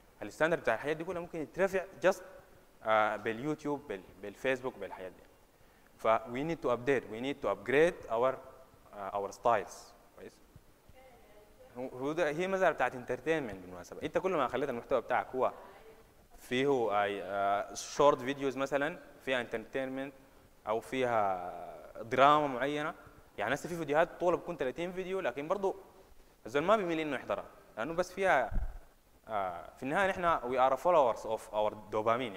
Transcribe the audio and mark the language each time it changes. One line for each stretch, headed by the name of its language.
Arabic: الستاندرد بتاع الحاجات دي كلها ممكن يترفع جاست باليوتيوب, بالفيسبوك, بالحياة دي.
English: ف we need to update, we need to upgrade our styles.
Arabic: كويس؟ هي مزارع بتاعت انترتينمنت بالمناسبة. أنت كل ما خليت المحتوى بتاعك هو فيه شورت فيديوز مثلا فيها انترتينمنت أو فيها دراما معينة, يعني هسه في فيديوهات طولة بكون 30 فيديو لكن برضو الزول ما بيميل إنه يحضرها لأنه بس فيها في النهاية نحن
English: we are followers of our dopamine.